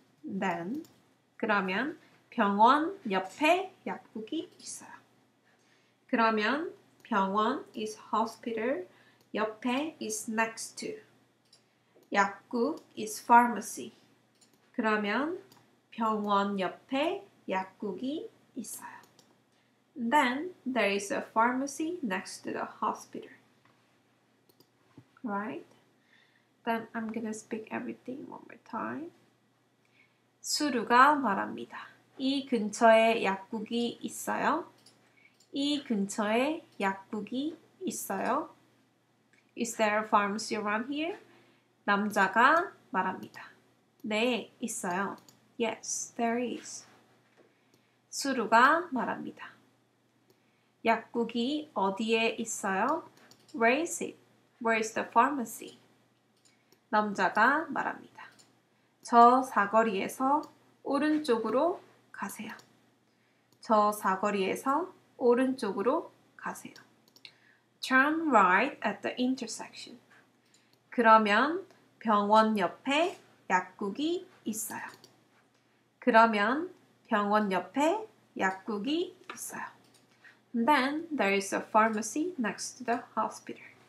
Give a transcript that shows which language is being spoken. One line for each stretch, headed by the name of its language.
Korean: Then, 그러면 병원 옆에 약국이 있어요. 그러면 병원
English: is hospital,
Korean: 옆에
English: is next to. 약국 is pharmacy.
Korean: 그러면 병원 옆에 약국이 있어요.
English: Then, there is a pharmacy next to the hospital. Right? Then, I'm gonna speak everything one more time.
Korean: 수루가 말합니다. 이 근처에 약국이 있어요? 이 근처에 약국이 있어요?
English: Is there a pharmacy around here?
Korean: 남자가 말합니다. 네, 있어요.
English: Yes, there is.
Korean: 수루가 말합니다. 약국이 어디에 있어요?
English: Where is it? Where is the pharmacy?
Korean: 남자가 말합니다. 저 사거리에서 오른쪽으로 가세요. 저 사거리에서 오른쪽으로 가세요.
English: Turn right at the intersection.
Korean: 그러면 병원 옆에 약국이 있어요. 그러면 병원 옆에 약국이 있어요.
English: And then there is a pharmacy next to the hospital.